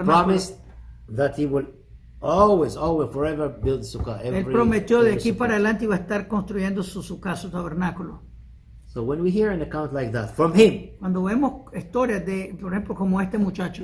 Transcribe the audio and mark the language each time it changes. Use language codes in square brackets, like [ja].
[en] He promised that he will always, always, forever build sukkah. [es] Él prometió de aquí para adelante iba a estar construyendo su sukkah, su tabernáculo. [en] So when we hear an account like that from him, [es] cuando vemos historias de, por ejemplo, como este muchacho,